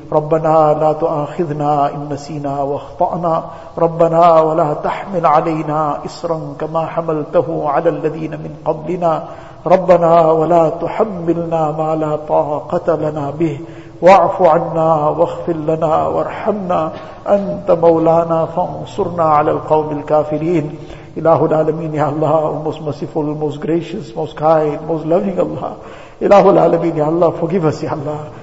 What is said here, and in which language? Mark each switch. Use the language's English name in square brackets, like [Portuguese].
[Arabic] ربنا لا تؤاخذنا إن نسينا واخطأنا، ربنا ولا تحمل علينا إصرا كما حملته على الذين من قبلنا، ربنا ولا تحملنا ما لا طاقة لنا به، واعف عنا واغفر لنا وارحمنا، أنت مولانا فانصرنا على القوم الكافرين. إله العالمين يا الله، [English] most merciful, most gracious, most kind, most loving Allah. [Arabic] إله العالمين يا الله، [English] forgive us [Arabic] يا الله.